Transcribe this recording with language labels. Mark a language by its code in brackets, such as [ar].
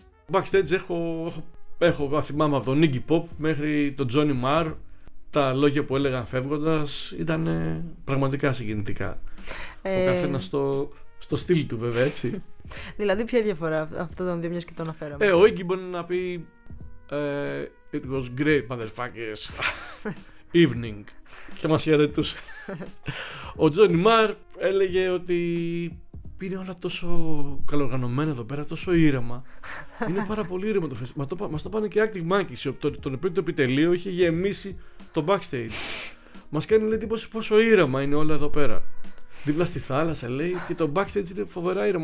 [el] backstage έχω θυμάμαι από τον Iggy Pop μέχρι τον Johnny Marr. Τα λόγια που έλεγαν φεύγοντας ήταν πραγματικά συγκινητικά. Ο καθένας στο στυλ του, βέβαια, έτσι. Δηλαδή, ποια διαφορά αυτό των δύο, μιας και το αναφέραμε. Ο Iggy μπορεί να πει [en] «It was great, motherfuckers. Evening». [el] Και μας χαιρετούσε. Ο Johnny Marr έλεγε ότι είναι όλα τόσο καλοργανωμένα εδώ πέρα, τόσο ήρεμα. Είναι πάρα πολύ ήρεμα το φεστιβάλ. Μας το πάνε και Arctic Monkeys, τον οποίο το επιτελείο είχε γεμίσει το backstage. Μας κάνει, λέει, εντύπωση πόσο ήρεμα είναι όλα εδώ πέρα. Δίπλα στη θάλασσα, λέει, και το backstage είναι φοβερά ήρεμα.